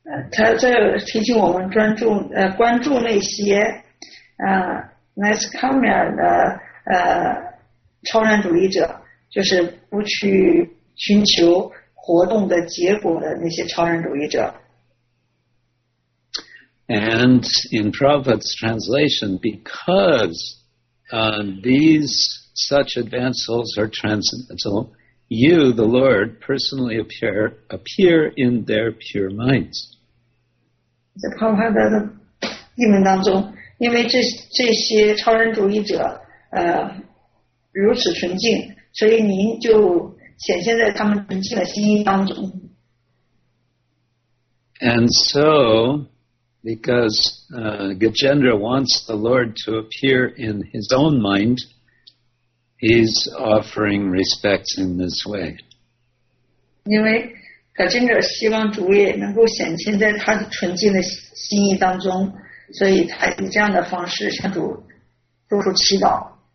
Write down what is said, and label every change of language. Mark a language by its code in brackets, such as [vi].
[zh] 他在提醒我们关注那些Naishkarmya的超然主义者，就是不去寻求活动的结果的那些超然主义者。 [en] And in Prabhupada's translation, because these such advanced souls are transcendental, you, the Lord, personally appear in their pure minds. [zh] 在庞华的英文当中，因为这些超人主义者如此纯净，所以您就显现在他们纯净的心意当中。 [en] And so, because Gajendra wants the Lord to appear in his own mind, he's offering respects in this way. [zh] 因为Gajendra希望主也能够显现在他纯净的心意当中，所以他以这样的方式向主做出祈祷。